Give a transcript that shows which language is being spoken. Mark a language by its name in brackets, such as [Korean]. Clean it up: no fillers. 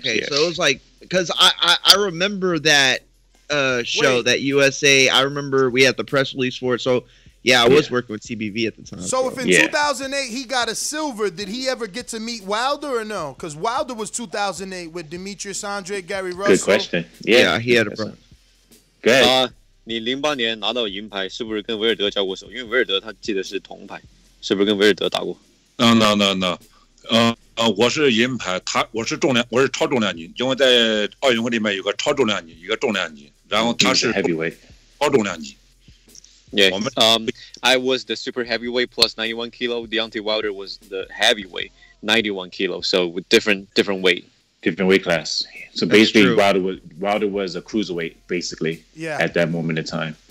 [English] Okay, yeah. So it was like, because I remember that show, that USA. I remember we had the press release for it. So Yeah, I was working with CBV at the time. So if in 2008 he got a silver, did he ever get to meet Wilder or no? Because Wilder was 2008 with Demetrius Andre, Gary Russell. Good question. Yeah, yeah, he had a brother. Good. [Chinese] 你08年拿到银牌，是不是跟威尔德交过手？因为威尔德他记得是铜牌，是不是跟威尔德打过？No. 我是银牌，他我是重量，我是超重量级，因为在奥运会里面有个超重量级，一个重量级，然后他是 [English] heavyweight [Chinese] 超重量级。 [English] Yeah, I was the super heavyweight plus 91 kilo. Deontay Wilder was the heavyweight, 91 kilo. So with different weight, different weight class. So that's basically, true. Wilder was a cruiserweight basically at that moment in time.